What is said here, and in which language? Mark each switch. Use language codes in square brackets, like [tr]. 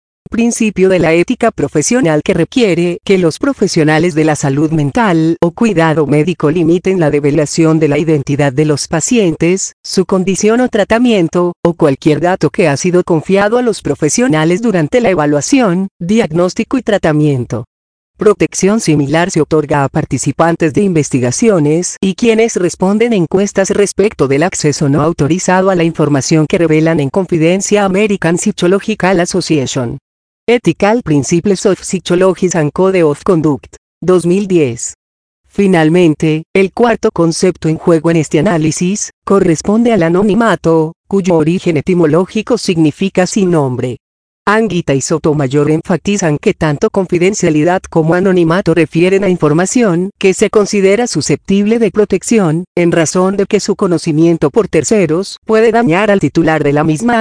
[es] Principio de la ética profesional que requiere que los profesionales de la salud mental o cuidado médico limiten la revelación de la identidad de los pacientes, su condición o tratamiento, o cualquier dato que ha sido confiado a los profesionales durante la evaluación, diagnóstico y tratamiento. Protección similar se otorga a participantes de investigaciones y quienes responden encuestas respecto del acceso no autorizado a la información que revelan en confidencia American Psychological Association. [en] Ethical Principles of Psychology and Code of Conduct. 2010. [es] Finalmente, el cuarto concepto en juego en este análisis corresponde al anonimato, cuyo origen etimológico significa sin nombre. Anguita y Sotomayor enfatizan que tanto confidencialidad como anonimato refieren a información que se considera susceptible de protección, en razón de que su conocimiento por terceros puede dañar al titular de la misma.